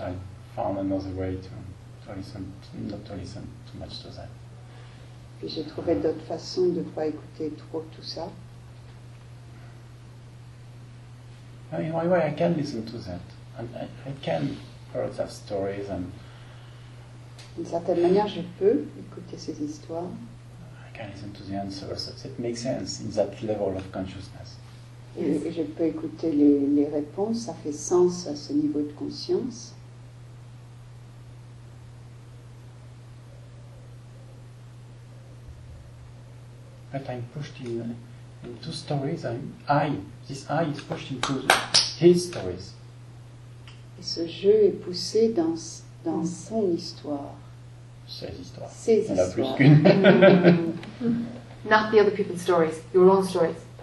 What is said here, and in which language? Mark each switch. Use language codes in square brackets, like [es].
[en] I found another way to listen, not to listen too much to that. [fr] Puis j'ai trouvé d'autres façons de ne pas écouter trop tout ça. [en] In my way, I can listen to that, and I can hear those stories. And [fr] d'une certaine manière, je peux écouter ces histoires. [en] I can listen to the answers. It makes sense in that level of consciousness. [fr] Et je peux écouter les réponses. Ça fait sens à ce niveau de conscience. [en] But I'm pushed in. Two stories, this I is pushed into his stories. [fr] Et ce jeu est poussé dans son histoire. Ses histoires. Ses histoires. Il y en a plus qu'une. [en] Not the other people's stories, your own stories.